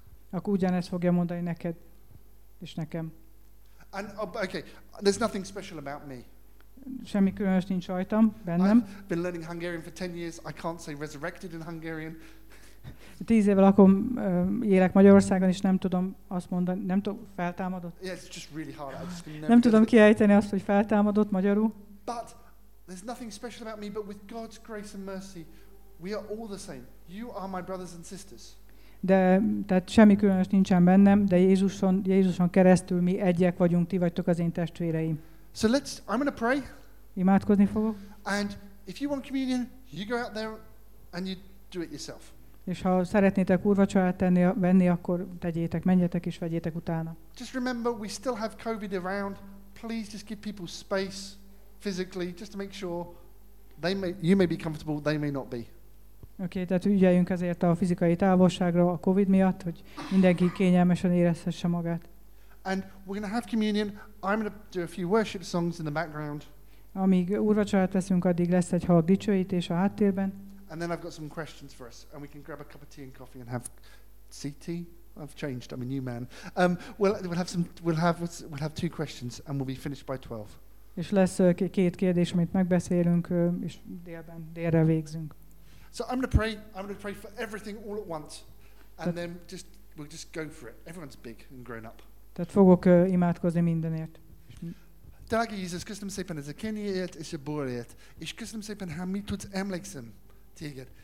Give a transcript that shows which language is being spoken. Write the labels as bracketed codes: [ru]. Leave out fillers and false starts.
[hu] Akkor ugyanezt fogja mondani neked és nekem. [en] And okay, there's nothing special about me. [hu] Semmi különös nincs rajtam, bennem. [en] I've been learning Hungarian for 10 years. I can't say resurrected in Hungarian. [hu] 10 éve lakom, élek Magyarországon, és nem tudom azt mondani, nem tudom, feltámadott. [en] Yeah, it's just really hard. I just [hu] nem tudom kiejteni azt, hogy feltámadott magyarul. [en] But there's nothing special about me, but with God's grace and mercy, we are all the same. You are my brothers and sisters. [hu] De tehát semmi különös nincsen bennem, de Jézuson keresztül mi egyek vagyunk, ti vagytok az én testvéreim. [en] So let's, I'm going to pray. [hu] Imádkozni fogok. [en] And if you want communion, you go out there and you do it yourself. [hu] És ha szeretnétek úrvacsorát venni, akkor tegyétek, menjetek és vegyétek utána. [en] Just remember, we still have COVID around. Please just give people space physically, just to make sure you may be comfortable, they may not be. [hu] Oké, okay, tehát ügyeljünk ezért a fizikai távolságra a COVID miatt, hogy mindenki kényelmesen érezhesse magát. [en] And we're going to have communion. I'm going to do a few worship songs in the background. [hu] Amíg úrvacsorát teszünk, addig lesz egy halk dicsőítés a háttérben. [en] And then I've got some questions for us. And we can grab a cup of tea and coffee and have CT. I've changed. I'm a new man. We'll have two questions and we'll be finished by 12. [hu] És lesz két kérdés, amit megbeszélünk, és délre végzünk. [en] So I'm going to pray for everything all at once. And then just we'll just go for it. Everyone's big and grown up. [hu] Tehát fogok imádkozni mindenért. Drága Jézus, köszönöm szépen ez a kenyéért és a borért. És köszönöm szépen, ha mi tudsz emlékszem téged.